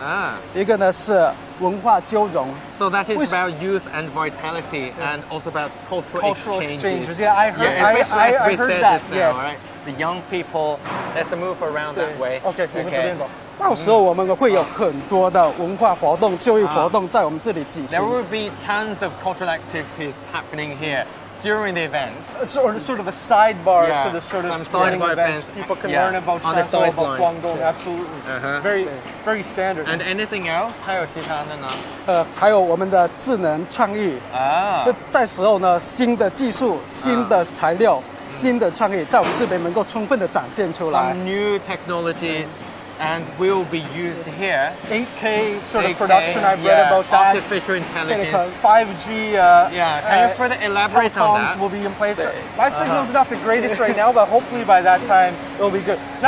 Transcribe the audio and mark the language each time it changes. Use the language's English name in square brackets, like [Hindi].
[Chinese] 这次办赛，我们突出几个特点，一个是青春活力，一个呢是文化交融。 [English] So that is about youth and vitality, and also about cultural exchanges. Yeah, I heard that now, yes. Right? The young people, let's move around that way. Okay. [Chinese] 到时候我们会有很多的文化活动、就业活动在我们这里进行。 [English] There will be tons of cultural activities happening here during the event. Sort of a sidebar to the sporting events, people can learn about Shantou, about Guangdong. Absolutely. Very standard. And anything else? [Chinese] 还有其他的呢? 还有我们的智能创意。这时候呢，新的技术、新的材料、新的创意在我们这边能够充分的展现出来。 [English] Some new technologies. And will be used here. 8K sort of production, I've read about that. Artificial intelligence. 5G. Can you further elaborate on that? Will be in place. My signal's not the greatest right now, but hopefully by that time, it'll be good.